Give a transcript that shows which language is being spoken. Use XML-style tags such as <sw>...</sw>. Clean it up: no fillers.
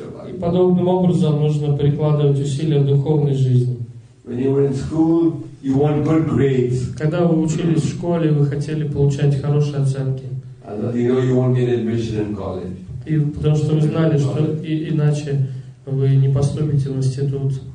<ru>И подобным образом нужно прикладывать усилия в духовной жизни.</ru> <en>When you were in school, you want good grades.</en> <ru>Когда вы учились в школе, вы хотели получать хорошие оценки. И потому что вы знали, что иначе вы не поступите в институт.</ru>